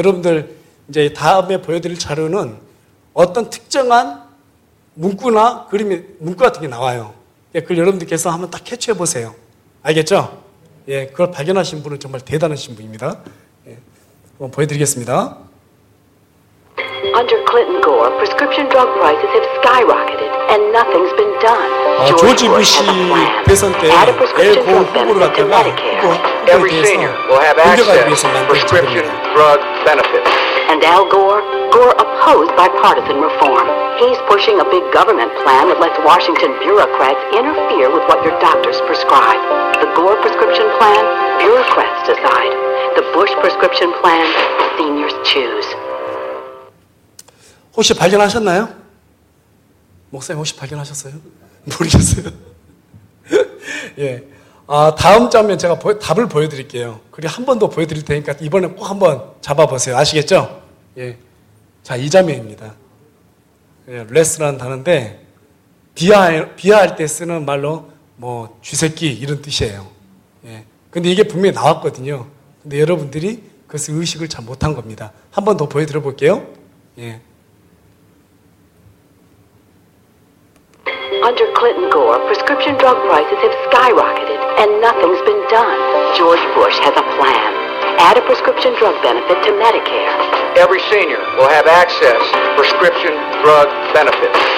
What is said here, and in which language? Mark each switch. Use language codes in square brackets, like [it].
[ko] 여러분들 이제 다음에 보여드릴 자료는 어떤 특정한 문구나 그림이 문구 같은 게 나와요. 예, 그걸 여러분들께서 한번 딱 캐치해 보세요. 알겠죠? 예, 그걸 발견하신 분은 정말 대단하신 분입니다. 예, 한번 보여드리겠습니다. [en] Under Clinton Gore, prescription drug prices have skyrocketed and nothing's been done. [ko] 아, 조지 부시 대선 때 엘 고 후보를 갖다가 [en] Every senior will have access to prescription drug benefits. And Al Gore opposed bipartisan reform. He's pushing a big government plan that lets Washington bureaucrats interfere with what your doctors prescribe. The Gore prescription plan, bureaucrats decide. The Bush prescription plan, seniors choose. [ko] 혹시 발견하셨나요? 목사님 혹시 발견하셨어요? 모르겠어요. 예. 아, 다음 장면 제가 답을 보여드릴게요. 그리고 한 번 더 보여드릴 테니까 이번에 꼭 한번 잡아보세요. 아시겠죠? 예. 자, 이 장면입니다. 예, 레스라는 단어인데 비하할 때 쓰는 말로 뭐 쥐새끼 이런 뜻이에요. 예, 근데 이게 분명히 나왔거든요. 근데 여러분들이 그것을 의식을 잘 못한 겁니다. 한 번 더 보여드려 볼게요. 예. [en] Under Clinton Gore, prescription drug prices have skyrocketed and nothing's been done. Clinton Gore, prescription drug prices have skyrocketed and nothing's been done. George Bush has a plan. Add a prescription drug benefit to Medicare. Every senior will have access to prescription drug benefits.